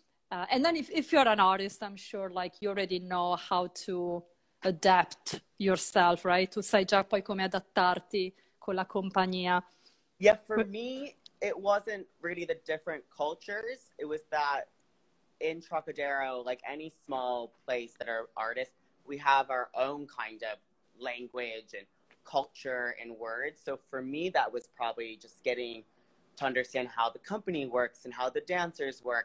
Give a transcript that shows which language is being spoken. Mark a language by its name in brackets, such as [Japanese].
[English] and then if you're an artist, I'm sure like you already know how to adapt yourself, right? [Italian] Tu sai già poi come adattarti con la compagnia. [English] Yeah, for me, it wasn't really the different cultures. It was that in Trocadero, like any small place that are artists, we have our own kind of language and culture and words. So for me, that was probably just getting... to understand how the company works and how the dancers work.